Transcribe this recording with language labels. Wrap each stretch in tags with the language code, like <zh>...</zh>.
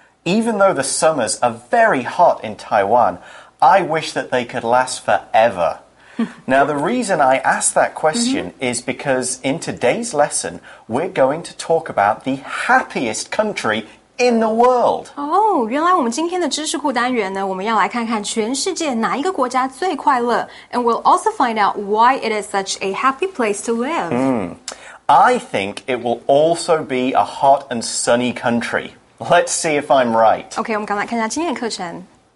<en>Even though the summers are very hot in Taiwan, I wish that they could last forever. Now, the reason I asked that question is because in today's lesson, we're going to talk about the happiest country in the world.</en> <zh>Oh, 原来我们今天的知识库单元呢，我们要来看看全世界哪一个国家最快乐。</zh> <en>And we'll also find out why it is such a happy place to live. I think it will also be a hot and sunny country. Let's see if I'm right.</en> <zh>Okay, 我们赶快看一下今天的课程。</zh>